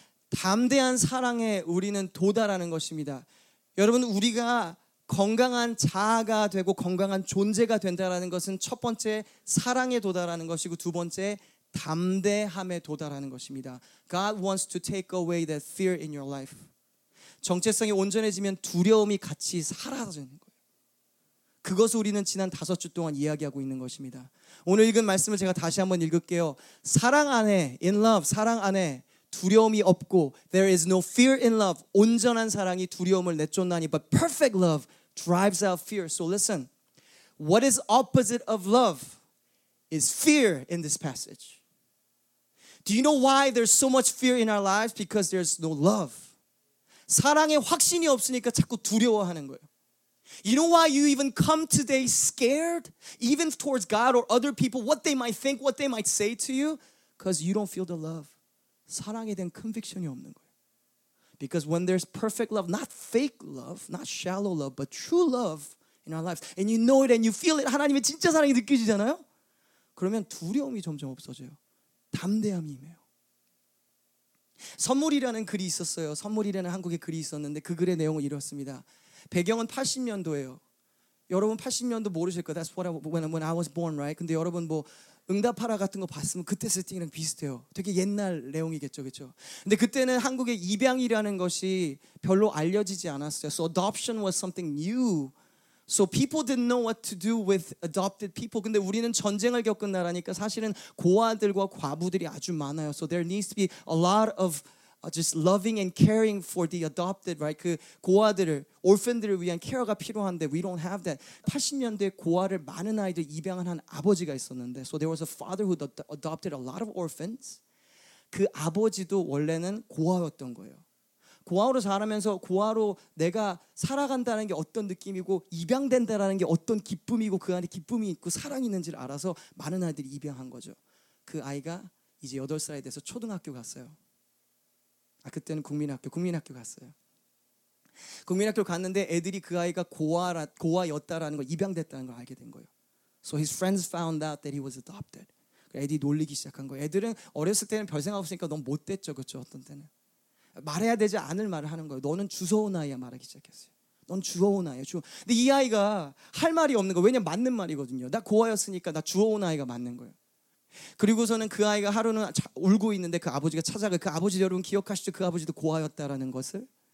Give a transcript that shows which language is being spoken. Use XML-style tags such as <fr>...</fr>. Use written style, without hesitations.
<ko>담대한 사랑에 우리는 도달하는 것입니다. 여러분 우리가 건강한 자아가 되고 건강한 존재가 된다라는 것은 첫 번째 사랑에 도달하는 것이고 두 번째 담대함에 도달하는 것입니다.</ko> <en>God wants to take away that fear in your life.</en> <ko>정체성이 온전해지면 두려움이 같이 사라지는 거예요. 그것을 우리는 지난 다섯 주 동안 이야기하고 있는 것입니다. 오늘 읽은 말씀을 제가 다시 한번 읽을게요. 사랑 안에,</ko> <en>in love,</en> <ko>사랑 안에 두려움이 없고</ko> <en>there is no fear in love.</en> <ko>온전한 사랑이 두려움을 내쫓나니</ko> <en>but perfect love drives out fear. So listen, what is opposite of love is fear in this passage. Do you know why there's so much fear in our lives? Because there's no love.</en> <ko>사랑에 확신이 없으니까 자꾸 두려워하는 거예요.</ko> <en>You know why you even come today scared? Even towards God or other people, what they might think, what they might say to you? Because you don't feel the love.</en> <ko>사랑에 대한 conviction이 없는 거예요.</ko> <en>Because when there's perfect love, not fake love, not shallow love, but true love in our lives, and you know it and you feel it,</en> <ko>하나님의 진짜 사랑이 느껴지잖아요? 그러면 두려움이 점점 없어져요. 담대함이 임해요. 선물이라는 글이 있었어요. 선물이라는 한국의 글이 있었는데 그 글의 내용은 이렇습니다. 배경은 80년도예요. 여러분 80년도 모르실 거예요.</ko> <en>That's what when I was born, right?</en> <ko>근데 여러분 뭐 응답하라 같은 거 봤으면 그때 세팅이랑 비슷해요. 되게 옛날 내용이겠죠, 그렇죠? 근데 그때는 한국의 입양이라는 것이 별로 알려지지 않았어요.</ko> <en>So adoption was something new. So people didn't know what to do with adopted people.</en> <ko>근데 우리는 전쟁을 겪은 나라니까 사실은 고아들과 과부들이 아주 많아요.</ko> <en>So there needs to be a lot of just loving and caring for the adopted, right?</en> <ko>그 고아들을, orphan들을 위한 케어가 필요한데</ko> <en>we don't have that.</en> <ko>80년대 고아를 많은 아이들 입양한 한 아버지가 있었는데</ko> <en>so there was a father who adopted a lot of orphans.</en> <ko>그 아버지도 원래는 고아였던 거예요. 고아로 자라면서 고아로 내가 살아간다는 게 어떤 느낌이고 입양된다는 게 어떤 기쁨이고 그 안에 기쁨이 있고 사랑이 있는지를 알아서 많은 아이들이 입양한 거죠. 그 아이가 이제 8살이 돼서 초등학교 갔어요. 아 그때는 국민학교 갔어요. 국민학교 갔는데 애들이 그 아이가 고아였다라는 걸 입양됐다는 걸 알게 된 거예요.</ko> <en>So his friends found out that he was adopted.</en> <ko>애들이 놀리기 시작한 거예요. 애들은 어렸을 때는 별 생각 없으니까 너무 못됐죠, 그렇죠? 어떤 때는 말해야 되지 않을 말을 하는 거예요. 너는 주워온 아이야 말하기 시작했어요. 넌 주워온 아이야. 근데 이 아이가 할 말이 없는 거예요. 왜냐면 맞는 말이거든요. 나 고아였으니까 나 주워온 아이가 맞는 거예요. 그리고서는 그 아이가 하루는 울고 있는데 그 아버지가 찾아가요. 그 아버지 여러분 기억하시죠? 그 아버지도 고아였다라는 것을.</ko>